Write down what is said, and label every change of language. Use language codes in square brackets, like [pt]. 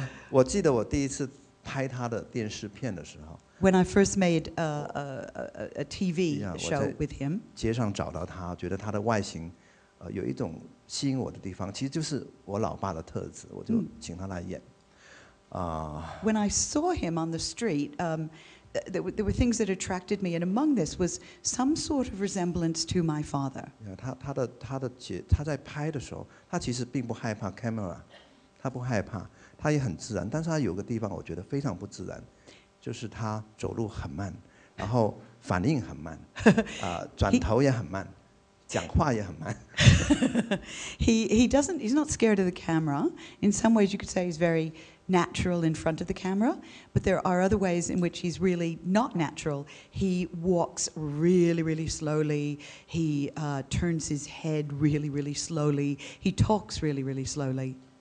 [zh] 我记得我第一次拍他的电视片的时候。 [en] When I first made a TV show with him. [zh] 街上找到他，觉得他的外形，有一种吸引我的地方，其实就是我老爸的特质，我就请他来演。When [en] I saw him on the street, there were things that attracted me, and among this was some sort of resemblance to my father. Yeah, [zh] 反应很慢, 转头也很慢, 讲话也很慢。 [en] he's not scared of the camera. In some ways you could say he's very natural in front of the camera, but there are other ways in which he's really not natural. He walks really, really slowly. He turns his head really, really slowly. He talks really, really slowly.